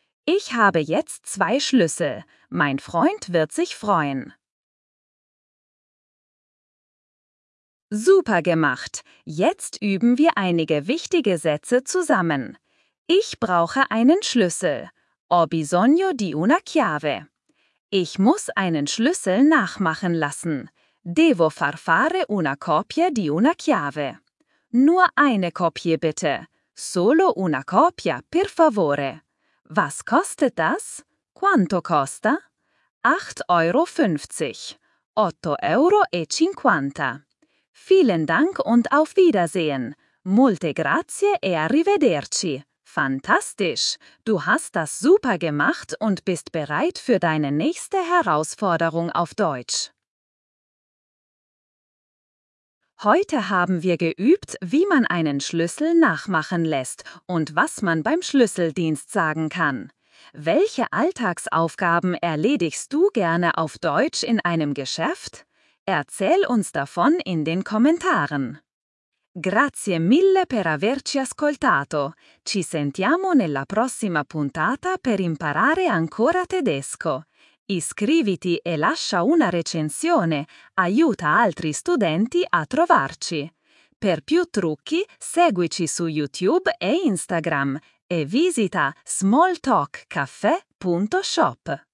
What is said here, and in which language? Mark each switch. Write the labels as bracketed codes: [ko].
[de] Ich habe jetzt 2 Schlüssel. Mein Freund wird sich freuen. Super gemacht! Jetzt üben wir einige wichtige Sätze zusammen. Ich brauche einen Schlüssel. [it] Ho bisogno di una chiave. [de] Ich muss einen Schlüssel nachmachen lassen. [it] Devo far fare una copia di una chiave. [de] Nur eine Kopie bitte. [it] Solo una copia, per favore. [de] Was kostet das? [it] Quanto costa? [de] 8,50 Euro. 8,50 Euro. Vielen Dank und auf Wiedersehen. [it] Molte grazie e arrivederci. [de] Fantastisch! Du hast das super gemacht und bist bereit für deine nächste Herausforderung auf Deutsch. Heute haben wir geübt, wie man einen Schlüssel nachmachen lässt und was man beim Schlüsseldienst sagen kann. Welche Alltagsaufgaben erledigst du gerne auf Deutsch in einem Geschäft? Erzähl uns davon in den Kommentaren. [it] Grazie mille per averci ascoltato. Ci sentiamo nella prossima puntata per imparare ancora tedesco. Iscriviti e lascia una recensione, aiuta altri studenti a trovarci. Per più trucchi, seguici su YouTube e Instagram e visita smalltalkcaffè.shop.